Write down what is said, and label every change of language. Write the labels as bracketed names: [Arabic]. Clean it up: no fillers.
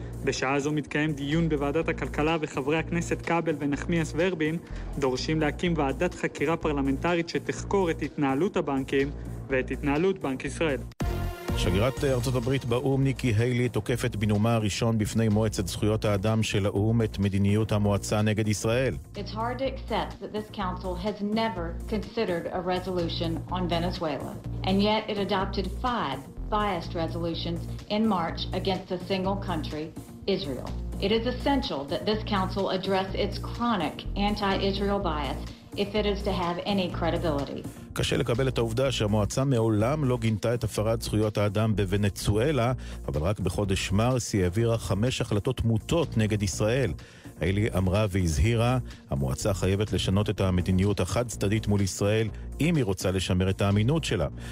[Hebrew] בשעה זו מתקיים דיון בוועדת הכלכלה וחברי הכנסת קאבל ונחמיאס ורבין דורשים להקים ועדת חקירה פרלמנטרית שתחקור את התנהלות הבנקים ואת התנהלות בנק ישראל. שגרירת ארצות הברית באו"ם ניקי היילי תוקפת בנאומה הראשון בפני מועצת זכויות האדם של האו"ם את מדיניות המועצה נגד ישראל. [English] It's hard to accept that this council has never considered a resolution on Venezuela and yet it adopted 5 biased resolutions in March against a single country, Israel. It is essential that this council address its chronic anti-Israel bias if it is to have any credibility. [Hebrew] קשה לקבל את העובדה שהמועצה מעולם לא גינתה את הפרת זכויות האדם בוונצואלה, אבל רק בחודש מרס היא העבירה 5 החלטות מוטות נגד ישראל. אלי אמרה והזהירה, המועצה חייבת לשנות את המדיניות החד צדדית מול ישראל, אם היא רוצה לשמר את האמינות שלה.